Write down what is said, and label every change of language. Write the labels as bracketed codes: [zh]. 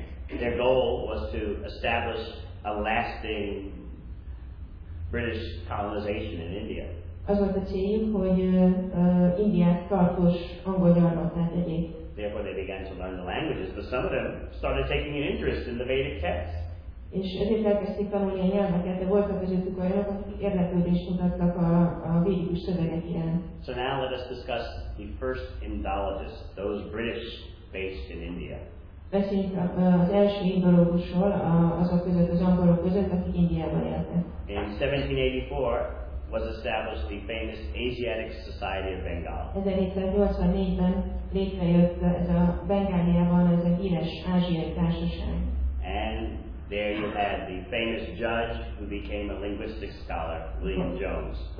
[en] Their goal was to establish a lasting British colonization in India. Therefore they began to learn the languages, but some of them started taking an interest in the Vedic texts. [hu] És ezért elkezdték tanulni a nyelveket, de voltak közöttük olyanok, akik érdeklődést mutattak a védikus szövegek iránt. [en] So now let us discuss the first Indologists, those British based in India. [hu] Beszéljünk az első indológusról, azok között, az angolok között, akik Indiában éltek. [en] In 1784 was established the famous Asiatic Society of Bengal. [hu] 1784-ben létrejött ez a Bengáliában, ez a híres ázsiai társaság. [en] And there you had the famous judge who became a linguistic scholar, William Jones.